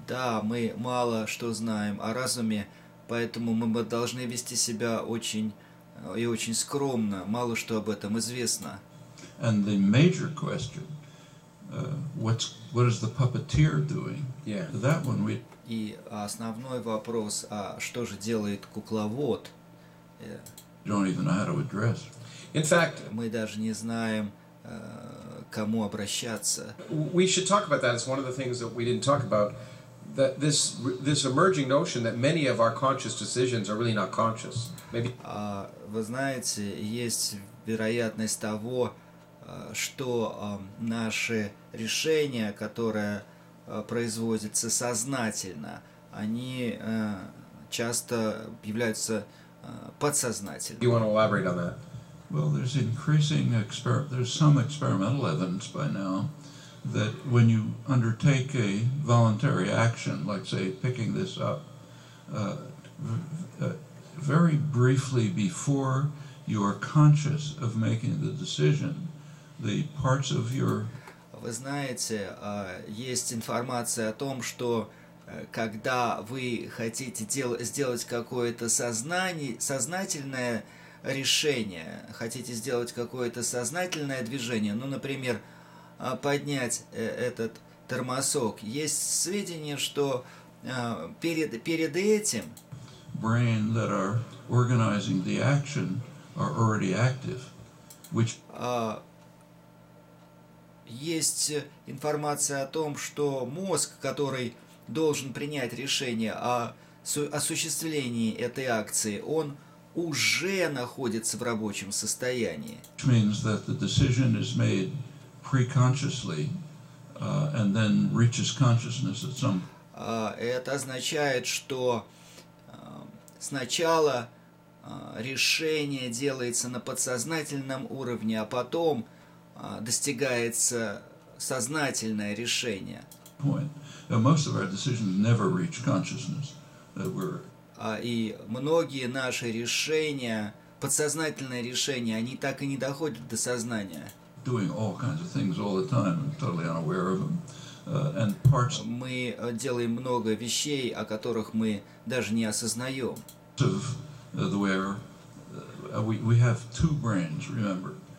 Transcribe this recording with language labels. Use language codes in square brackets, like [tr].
[ru] Да, мы мало что знаем о разуме, поэтому мы должны вести себя очень скромно. Мало что об этом известно. [en] And the major question. What is the puppeteer doing? Yeah. That one we. [ru] И основной вопрос, а что же делает кукловод? [en] Don't even know how to address. In fact. [ru] Мы даже не знаем, кому обращаться. [en] We should talk about that. It's one of the things that we didn't talk about. That this emerging notion that many of our conscious decisions are really not conscious. Maybe. [ru] Вы знаете, есть вероятность того, что наши решения, которые производятся сознательно, они часто являются подсознательными. [en] You want to elaborate on that? Well, there's some experimental evidence by now that when you undertake a voluntary action, like say picking this up, very briefly before you are conscious of making the decision, the parts of your... [ru] Вы знаете, есть информация о том, что когда вы хотите сделать какое-то сознательное решение, хотите сделать какое-то сознательное движение, ну, например, поднять этот тормозок, есть сведения, что перед этим [en] brain that are organizing the action are already active, which... [ru] есть информация о том, что мозг, который должен принять решение о осуществлении этой акции, он уже находится в рабочем состоянии. [en] Which means that the decision is made preconsciously, and then reaches consciousness at some... [ru] это означает, что сначала решение делается на подсознательном уровне, а потом достигается сознательное решение. [en] Point. Most of our decisions never reach consciousness. [ru] И многие наши решения, подсознательные решения, они так и не доходят до сознания. [en] Doing all kinds of things all the time, totally unaware of them. And parts... [ru] Мы делаем много вещей, о которых мы даже не осознаем. [en] Of the way we have two brains, remember.